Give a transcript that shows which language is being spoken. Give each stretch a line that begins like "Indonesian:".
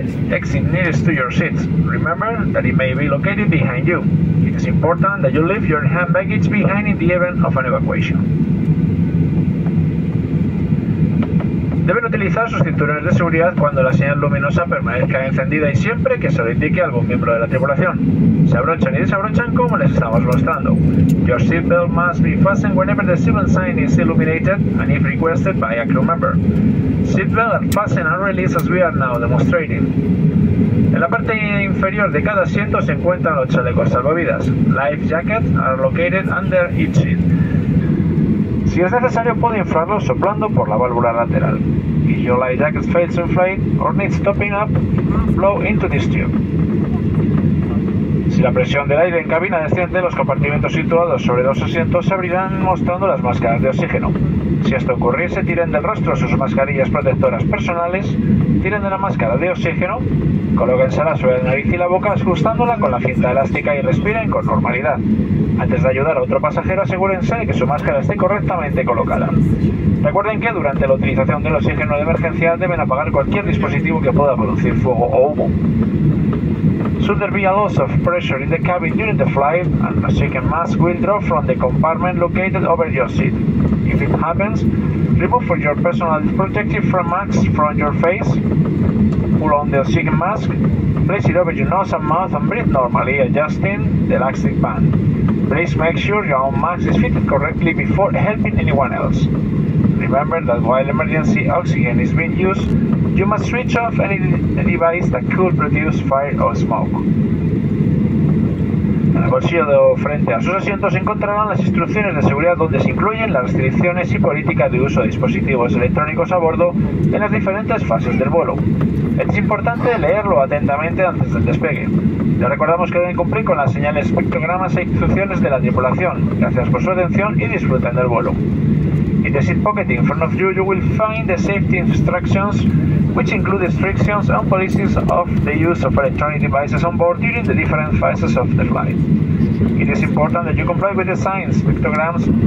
English: Exit nearest to your seats. Remember that it may be located behind you. It is important that you leave your hand baggage behind in the event of an evacuation.
Spanish: Deben utilizar sus cinturones de seguridad cuando la señal luminosa permanezca encendida y siempre que se lo indique a algún miembro de la tripulación. Se abrochan y desabrochan como les estamos mostrando.
English: Your seatbelt must be fastened whenever the seatbelt sign is illuminated and if requested by a crew member. Seatbelt and fasten and release as we are now demonstrating.
Spanish: En la parte inferior de cada asiento se encuentran los chalecos salvavidas.
English: Life jackets are located under each seat.
Spanish: Si es necesario, puede inflarlo soplando por la válvula lateral.
English: If your life jacket fails to inflate or needs topping up, blow into this tube.
Spanish: Si la presión del aire en cabina desciende, los compartimentos situados sobre los asientos se abrirán mostrando las máscaras de oxígeno. Si esto ocurriese, tiren del rostro sus mascarillas protectoras personales, tiren de la máscara de oxígeno, colóquensela sobre la nariz y la boca ajustándola con la cinta elástica y respiren con normalidad. Antes de ayudar a otro pasajero, asegúrense de que su máscara esté correctamente colocada. Recuerden que durante la utilización del oxígeno de emergencia deben apagar cualquier dispositivo que pueda producir fuego o humo.
English: Should there be a loss of pressure in the cabin during the flight, an oxygen mask will drop from the compartment located over your seat. If it happens, remove your personal protective mask from your face, pull on the oxygen mask, place it over your nose and mouth and breathe normally, adjusting the elastic band. Please make sure your own mask is fitted correctly before helping anyone else. Remember that while emergency oxygen is being used, you must switch off any device that could produce fire or smoke.
Spanish: En el bolsillo frente a sus asientos encontrarán las instrucciones de seguridad donde se incluyen las restricciones y políticas de uso de dispositivos electrónicos a bordo en las diferentes fases del vuelo. Es importante leerlo atentamente antes del despegue. Ya recordamos que deben cumplir con las señales, pictogramas e instrucciones de la tripulación. Gracias por su atención y disfruten del vuelo.
English: In the seat pocket in front of you, you will find the safety instructions, which include restrictions and policies of the use of electronic devices on board during the different phases of the flight. It is important that you comply with the signs, pictograms,